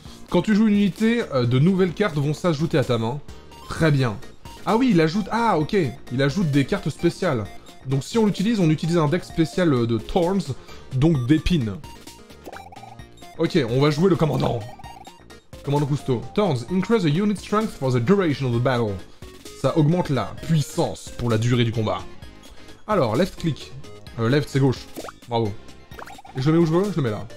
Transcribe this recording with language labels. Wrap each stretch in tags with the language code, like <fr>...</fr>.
<fr>Quand tu joues une unité, de nouvelles cartes vont s'ajouter à ta main. Très bien. Ah oui, il ajoute... Ah, ok, il ajoute des cartes spéciales. Donc si on l'utilise, on utilise un deck spécial de Thorns, donc d'épines. Ok, on va jouer le commandant. Commandant Cousteau.</fr> <en>Thorns, increase the unit strength for the duration of the battle.</en> <fr>Ça augmente la puissance pour la durée du combat. Alors, left click. Left, c'est gauche. Bravo. Et je le mets où je veux? Je le mets là.</fr>